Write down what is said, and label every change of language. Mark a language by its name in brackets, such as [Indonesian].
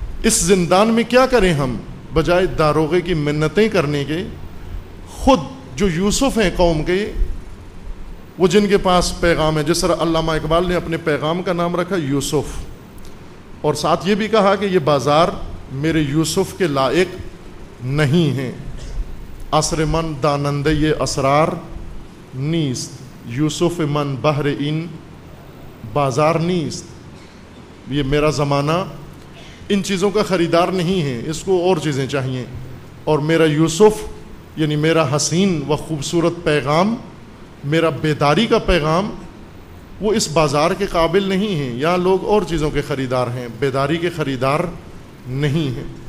[Urdu] اس زندان میں کیا کریں ہم؟ بجائے داروغے کی منتیں کرنے کے، خود جو یوسف ہیں قوم کے، وہ جن کے پاس پیغام ہے، جس طرح علامہ اقبال نے اپنے پیغام کا نام رکھا یوسف، اور ساتھ یہ بھی کہا کہ یہ بازار میرے یوسف کے لائق نہیں ہیں. [Persian] عصر من دانند یہ اسرار نیست، یوسف من بحر این بازار نیست. [Urdu] یہ میرا زمانہ ان چیزوں کا خریدار نہیں ہے، اس کو اور چیزیں چاہیے، اور میرا یوسف یعنی میرا حسین و خوبصورت پیغام، میرا بیداری کا پیغام، وہ اس بازار کے قابل نہیں ہیں. یا لوگ اور چیزوں کے خریدار ہیں، بیداری کے خریدار نہیں ہیں.